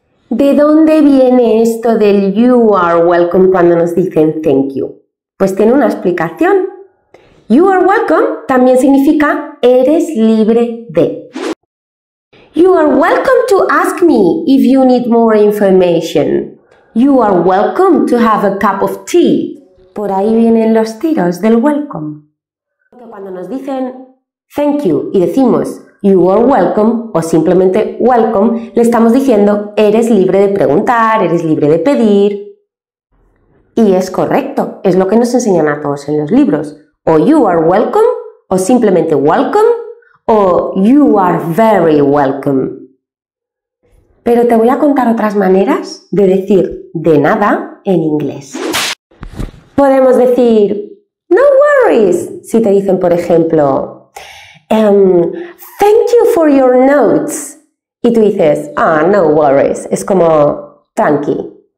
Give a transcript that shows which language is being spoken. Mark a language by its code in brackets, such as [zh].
[es] ¿De dónde viene esto del [en] you are welcome [es] cuando nos dicen [en] thank you? [es] Pues tiene una explicación. [en] You are welcome [es] también significa eres libre de. [en] You are welcome to ask me if you need more information. You are welcome to have a cup of tea. [es] Por ahí vienen los tiros del welcome. Cuando nos dicen [en] thank you [es] y decimos [en] you are welcome [es] o simplemente [en] welcome, [es] le estamos diciendo eres libre de preguntar, eres libre de pedir. Y es correcto, es lo que nos enseñan a todos en los libros. [en] O you are welcome [es] o simplemente [en] welcome o you are very welcome. [es] Pero te voy a contar otras maneras de decir de nada en inglés. Podemos decir [en] no worries [es] si te dicen, por ejemplo, [en] thank you for your notes. [es] Y tú dices, ah, [en] no worries. [es] Es como tranqui.